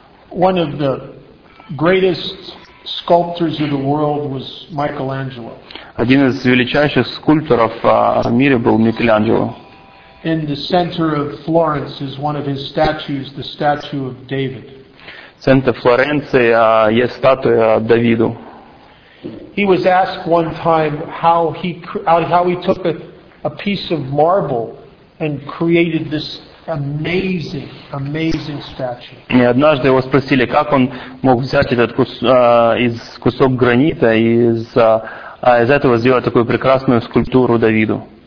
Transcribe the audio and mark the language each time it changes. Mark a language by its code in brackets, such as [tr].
[en] One of the greatest sculptors of the world was Michelangelo. [ru] Один из величайших скульпторов в мире был Микеланджело. [en] In the center of Florence is one of his statues, the statue of David. [ru] В центре Флоренции есть статуя Давиду. [en] He was asked one time how he took a piece of marble and created this amazing, amazing statue. [ru] И однажды его спросили, как он мог взять этот кусок гранита из этого сделать такую прекрасную скульптуру Давида.